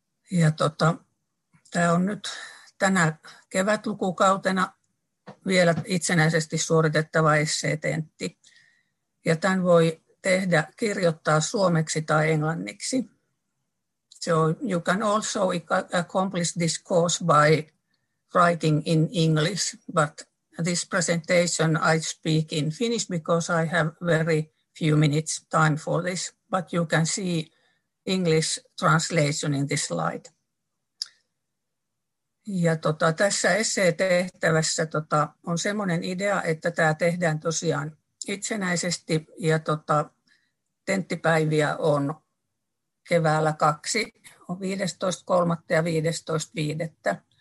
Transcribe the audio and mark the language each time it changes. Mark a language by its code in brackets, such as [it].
[fi] Ja tämä on nyt tänä kevätlukukautena vielä itsenäisesti suoritettava esseetentti. Ja tämän voi tehdä, kirjoittaa suomeksi tai englanniksi. [en] So you can also accomplish this course by writing in English, but this presentation I speak in Finnish because I have very few minutes time for this, but you can see English translation in this slide. [fi] Ja tässä esseetehtävässä on semmoinen idea, että tämä tehdään tosiaan itsenäisesti ja tenttipäiviä on keväällä kaksi, on 15.3. ja 15.5.